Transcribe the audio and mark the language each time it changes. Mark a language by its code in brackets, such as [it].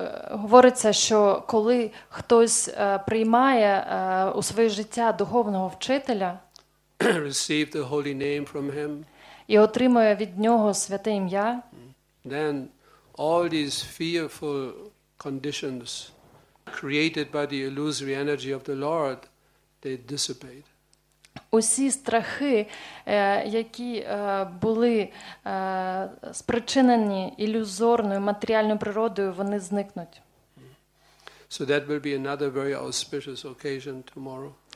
[uk] Говориться, що коли хтось приймає у своє життя духовного вчителя, [en] receive the holy name from him. [uk] І отримує від нього святе ім'я. [en] Then all these fearful conditions created by the illusory energy of the Lord, they dissipate. [uk] Усі страхи, які були спричинені ілюзорною матеріальною природою, вони зникнуть. [en] So that will be another very auspicious occasion tomorrow.